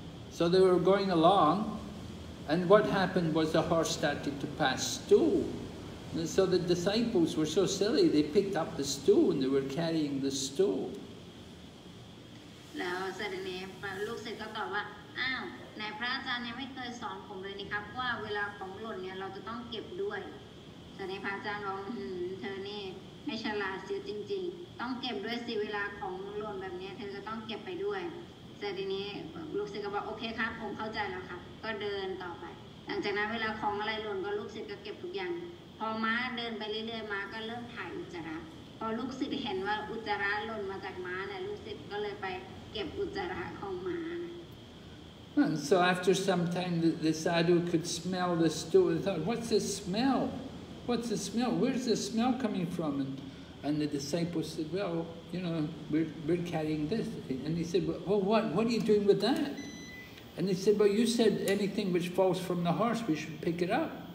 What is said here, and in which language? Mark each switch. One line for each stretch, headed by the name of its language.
English: So they were going along, and what happened was the horse started to pass stool. And so the disciples were so silly, they picked up the stool and they were carrying the stool.
Thai: แล้วเสร็จในลูกศิษย์ก็ตอบว่าอ้าวนายพระอาจารย์ยังไม่เคยสอนผมเลยนะครับว่าเวลาของหล่นเนี่ยเราจะต้องเก็บด้วย แต่นายพระอาจารย์ร้องเธอเนี่ยไม่ฉลาดเสียจริงๆต้องเก็บด้วยสิเวลาของรวมแบบนี้เธอจะต้องเก็บไปด้วยแต่ทีนี้ลูกศิษย์ก็บอกโอเคครับผมเข้าใจแล้วครับก็เดินต่อไปหลังจากนั้นเวลาของอะไรหล่นก็ลูกศิษย์ก็เก็บทุกอย่างพอม้าเดินไปเรื่อยๆม้าก็เริ่มถ่ายอุจจาระพอลูกศิษย์เห็นว่าอุจจาระหล่นมาจากม้าเนี่ยลูกศิษย์ก็เลยไปเก็บอุจจาระของม้า
English: And so after some time the sadhu could smell the stool and thought what's this smellWhat's the smell? Where's the smell coming from? And the disciples said, well, you know, we're carrying this. And he said, well, what are you doing with that? And they said, well, you said anything which falls from the horse, we should pick it up.